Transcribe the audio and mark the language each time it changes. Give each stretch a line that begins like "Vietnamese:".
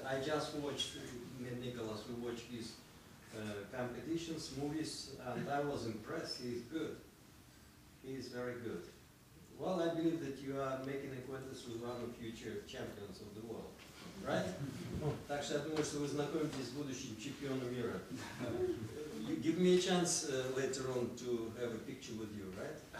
English: I just watched Nicholas who watched his competitions, movies, and I was impressed. He is good. He is very good. Well, I believe that you are making acquaintance with one of future champions of the world, right?
Russian: Так что я думаю, что вы знакомитесь с будущим чемпионом мира.
English: You give me a chance later on to have a picture with you, right?